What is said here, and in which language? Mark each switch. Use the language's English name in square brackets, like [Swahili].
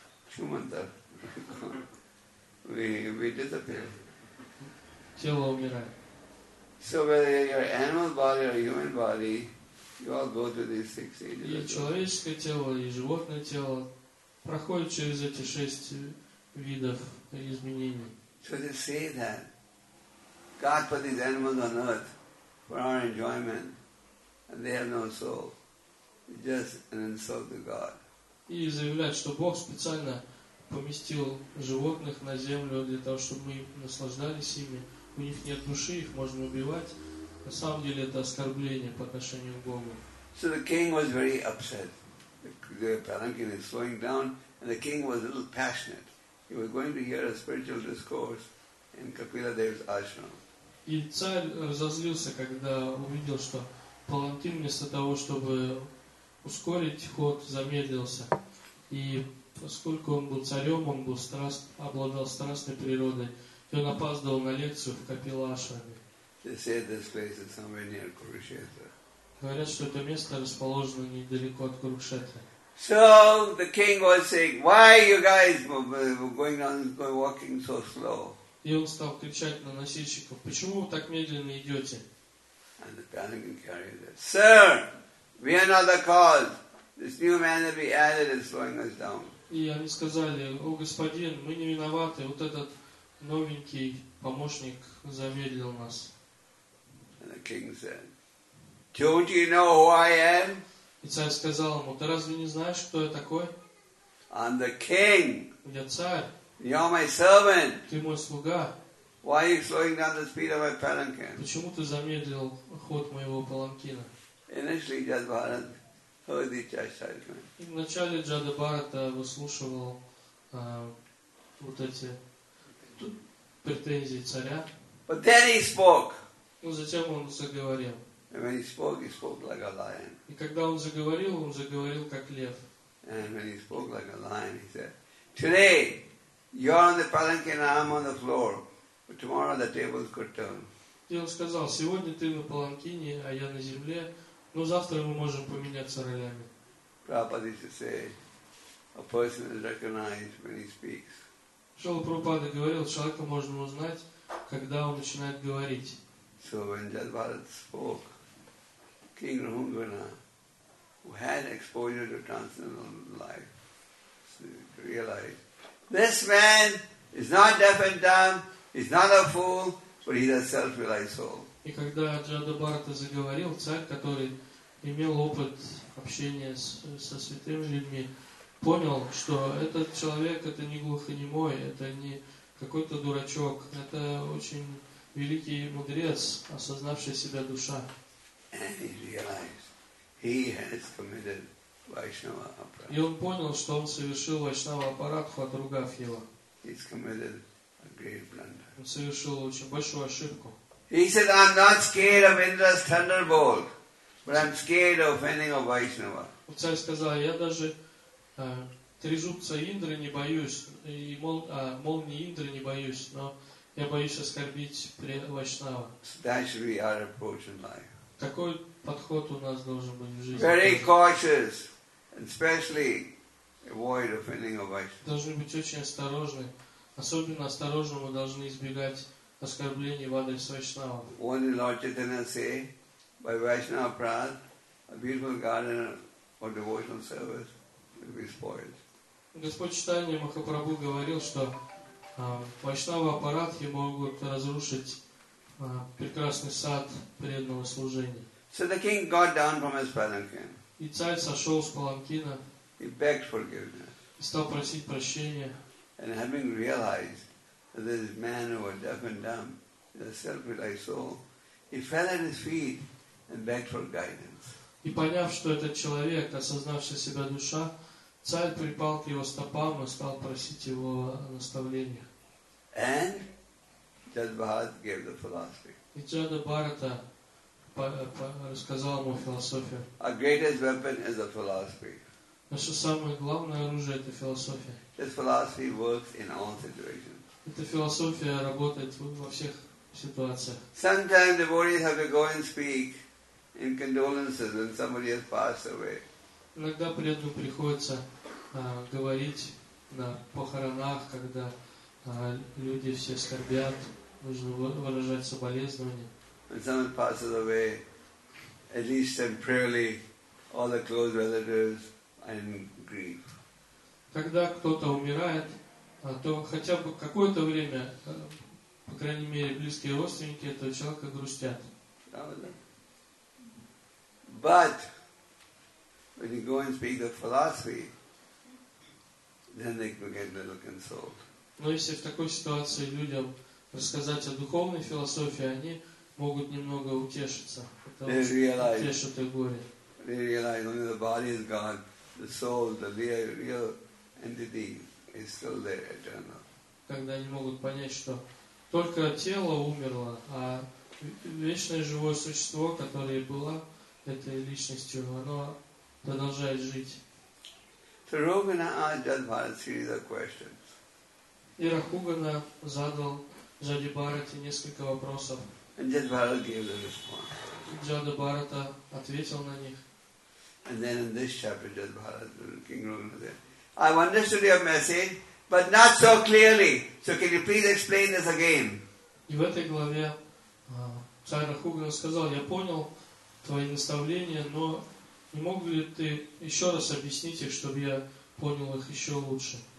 [English] Шумантар. We disappear. [Russian] Тело умирает. [English] So whether your animal body or human body, you all go through these 6 stages. [Russian] И человеческое тело, и животное тело проходит через эти 6 видов изменений. [English] So they say that God put these animals on earth for our enjoyment and they have no soul. It's just an insult to God. [Russian] И заявляют, что Бог специально поместил животных на землю для того, чтобы мы наслаждались ими. У них нет души, их можно убивать. На самом деле это оскорбление по отношению к Богу. [English] So the king was very upset. The palanquin is slowing down, and the king was a little passionate. He was going to hear a spiritual discourse in Kapila Dev's ashram. [Russian] И царь разозлился, когда увидел, что палантин вместо того, чтобы ускорить ход, замедлился. И поскольку он был царем, он был обладал страстной природой, и он опаздывал на лекцию в Капилашраме. [English] They say this place is somewhere near Kurukshetra. [Russian] Говорят, что это место расположено недалеко от Курукшетры. [English] So the king was saying, why you guys going walking so slow? [Russian] И он стал кричать на носильщиков, почему вы так медленно идете? [English] And the palanquin carried it. Sir! We are not the cause. This new man that we added is slowing us down. [Russian] И они сказали: "О господин, мы не виноваты. Вот этот новенький помощник замедлил нас." [English] And the king said, "Don't you know who I am?" [Russian] И царь сказал ему: "Ты разве не знаешь, кто я такой?" [English] I'm the king. [Russian] Я царь. [English] You're my servant. [Russian] Ты мой слуга. [English] Why are you slowing down the speed of my palanquin? [Russian] Почему ты замедлил ход моего паланкина? [English] Initially, Jada Bharat heard the chastisement. In the [Russian] начале Jada Bharat выслушивал вот эти претензии царя. [English] But then he spoke. [Russian] Но затем он заговорил. [English] And when he spoke like a lion. [Russian] И когда он заговорил как лев. [English] And when he spoke like a lion, he said, "Today, you're on the palanquin, I'm on the floor. But tomorrow, the tables could turn." [Russian] И он сказал: "Сегодня ты на паланкине, а я на земле." Но завтра мы можем поменяться ролями. [English] Prabhupada used to say, a person is recognized when he speaks. [Russian] Шрила Прабхупада говорил, человека можно узнать, когда он начинает говорить. [English] So when Jada Bharat spoke, King Rahungana, who had exposure to transcendental life, realized, this man is not deaf and dumb, he's not a fool, but he's a self-realized soul. [Russian] И когда Джада Бхарата заговорил, царь, который имел опыт общения со святыми людьми, понял, что этот человек это не глухонемой, это не какой-то дурачок, это очень великий мудрец, осознавший себя душа. [English] And he realized he has committed Vaishnava Aparakha. [Russian] И он понял, что он совершил Вайшнава Апаракху, отругав его. [English] He's committed a great blunder. [Russian] Он совершил очень большую ошибку. [English] He said, I'm not scared of Indra's thunderbolt, but I'm scared of offending of Vaishnava. [Russian] Царь сказал, я даже трезубца Индры не боюсь, и молнии Индры не боюсь, но я боюсь оскорбить Вайшнава. [English] That should be our approach in life. [Russian] Такой подход у нас должен быть в жизни. [English] Very cautious, especially avoid offending of Vaishnava. [Russian] Должны быть очень осторожны. Особенно осторожны мы должны избегать оскорблений в адрес Вайшнава. [English] Only Lord Chaitanya say, by Vaishnava Prad, a beautiful garden or devotional service will be spoiled. [Russian] Господь Читания Махапрабху говорил, что Вайшнава Апарадхи могут разрушить прекрасный сад преданного служения. [English] So the king got down from his palanquin. [Russian] И царь сошел с паланкина. [English] He begged forgiveness. [Russian] И стал просить прощения. [English] And having realized that this man who was deaf and dumb is a self-realized soul, he fell at his feet and begged for guidance. [Russian] И поняв, что этот человек, осознавший себя душа, царь припал к его стопам и стал просить его наставления. [English] And Jad Bharat gave the philosophy. [Russian] И Джада Бхарата рассказал ему философию. [English] Our greatest weapon is the philosophy. [Russian] Наше самое главное оружие — это философия. [English] This philosophy works in all situations. [Russian] Эта философия работает во всех ситуациях. [English] Sometimes devotees have to go and speak in condolences when somebody has passed away. [Russian] Иногда преданным приходится говорить на похоронах, когда люди все скорбят. Нужно выражать соболезнования. [English] When someone passes away, at least temporarily, all the close relatives are in grief. [Russian] Когда кто-то умирает, то хотя бы какое-то время, по крайней мере, близкие родственники этого человека грустят. [English] But when you go and speak the philosophy, then they begin to look consoled. [Russian] Но если в такой ситуации людям рассказать о духовной философии, они могут немного утешиться. Утешат их горе. [English] They realize only the body is God, the soul, the real entity is still there eternal. [Russian] Когда они могут понять, что только тело умерло, а вечное живое существо, которое было этой личностью, оно продолжает жить. [English] So Rogana asked Jad Bharat a series of questions. [Russian] И Рахугана задал Джаде Бхарате несколько вопросов. [English] And Jad Bharat gave the response. [Russian] Джада Бхарата ответил на них. [English] And then in this chapter, Jad Bharat, King Rogana said, I've understood your message, but not so clearly. So can you please explain this again? [Russian] И в этой главе царь Рахугана сказал, я понял твои наставления, но не мог ли ты еще раз объяснить их, чтобы я понял их еще лучше?